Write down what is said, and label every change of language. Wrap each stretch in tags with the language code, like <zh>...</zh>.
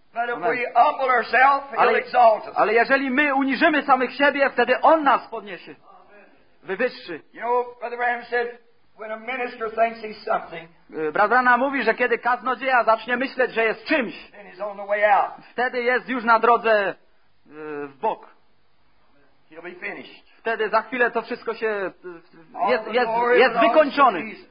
<en>But if we humble ourselves, he'll exalt us.</en> <pl>Ale jeżeli my uniżymy samych siebie, wtedy On nas podniesie. Amen. Wywyższy.</pl> <en>You know, Brother Branham said, when a minister thinks he's something,</en> <pl>Brother Branham mówi, że kiedy kaznodzieja zacznie myśleć, że jest czymś,</pl> <en>then he's on the way out.</en> <pl>Wtedy jest już na drodze w bok.</pl> <en>He'll be finished.</en> <pl>Wtedy za chwilę to wszystko się jest wykończony.</pl>